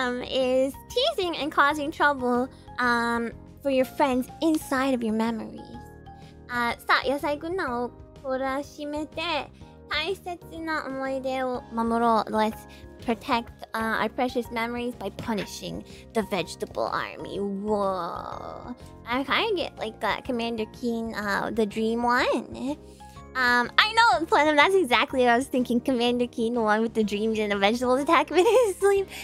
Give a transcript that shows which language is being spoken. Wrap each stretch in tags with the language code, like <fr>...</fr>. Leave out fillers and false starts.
<en>is teasing and causing trouble for your friends inside of your memories.</en> <ja>さあ、野菜くんなを懲らしめて大切な思い出を守ろう。</ja> <en>Let's protect our precious memories by punishing the vegetable army. Whoa. I kind of get like Commander Keen, the dream one. I know, Plenum, that's exactly what I was thinking. Commander Keen, the one with the dreams and the vegetables attack me to sleep.</en>